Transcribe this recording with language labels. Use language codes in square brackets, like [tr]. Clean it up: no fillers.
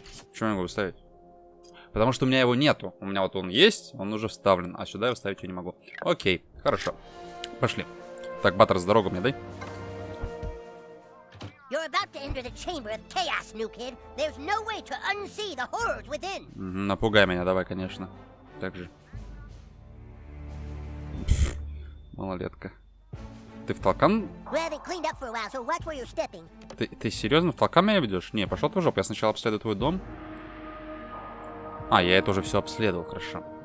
[ru] Почему я могу его ставить? Потому что у меня его нету. У меня вот он есть, он уже вставлен. А сюда я вставить его не могу. Окей, хорошо. Пошли. Так, Баттерс, дорогу мне дай. [en] You're about to enter the chamber of chaos, new kid. There's no way to unsee the horrors within. [ru] Напугай меня, давай, конечно. Так же. Малолетка. Ты в толкан? Ты серьезно в толкан меня ведешь? Не, пошел ты в жопу. Я сначала обследую твой дом. А, я это уже все обследовал, хорошо.